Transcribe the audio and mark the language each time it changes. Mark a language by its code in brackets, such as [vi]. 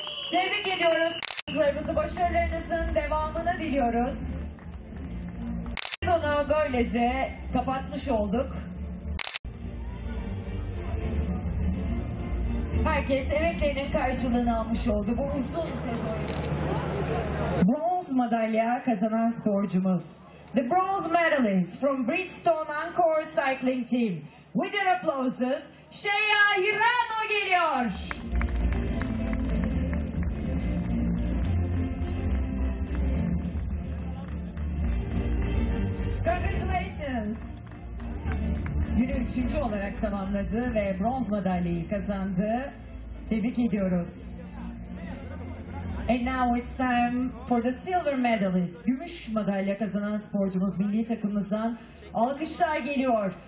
[tr] Tebrik ediyoruz sporcularımızı. Başarılarınızın devamını diliyoruz. Sezonu böylece kapatmış olduk. Herkes emeklerinin karşılığını almış oldu bu uzun sezon. Bronz madalya kazanan sporcumuz. [en] The bronze medalist from Bridgestone Ancor Cycling Team. With your applauses, Shea Hirano [tr] geliyor. [en] Congratulations! [tr] Günü üçüncü olarak tamamladı ve bronz madalyayı kazandı. Tebrik ediyoruz. [en] And now it's time for the silver medalist. [tr] Gümüş madalya kazanan sporcumuz, milli takımımızdan alkışlar geliyor.